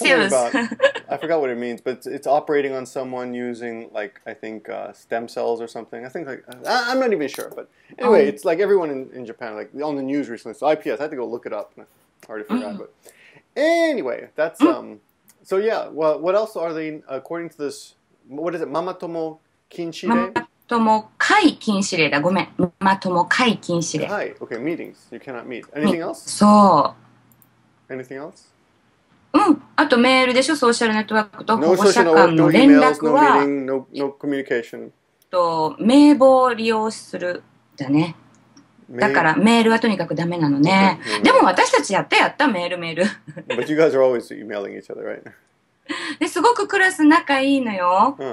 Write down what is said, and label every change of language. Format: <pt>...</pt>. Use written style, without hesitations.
<en>It's something about, I forgot what it means, but it's operating on someone using, like, I think, stem cells or something. I think, like, I'm not even sure. But anyway, it's like everyone in Japan, like, on the news recently. So IPS, I had to go look it up. I already forgot. But anyway, that's, so yeah, well, what else are they, according to this, what is it, ママ友禁止令?</en> <ja>ママ友会禁止令だ、ごめん。ママ友会禁止令。</ja> <en>はい、okay, meetings. You cannot meet. Anything else?</en> <ja>そう。</ja> <en>Anything else?</en> <ja>あとメールでしょ、ソーシャルネットワークと保護者間の連絡は、</ja> <en>no meetings, no communication.</en> <ja>と名簿を利用するだね。だからメールはとにかくダメなのね。でも私たちやったやったメール。</ja> <en>But you guys are always emailing each other, right?</en> <ja>で、すごくクラス仲いいのよ。</ja>